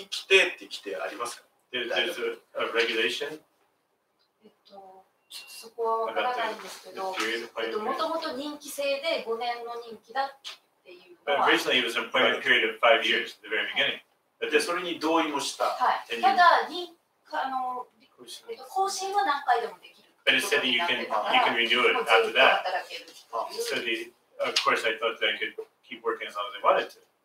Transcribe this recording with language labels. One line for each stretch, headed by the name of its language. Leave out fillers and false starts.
Japanese: 任期規定って規定ありますか?
English: There's a regulation?
Japanese: そこはわからないんですけど、もともと任期制で5年の任期だっていうのは。
English: But originally it was an appointment period of 5 years at the very beginning. But
Japanese: それに同意もした。はい。ただ、更新は何回でもできる。
English: But it said that you can renew it after that. So of course I thought that I could keep working as long as I wanted to.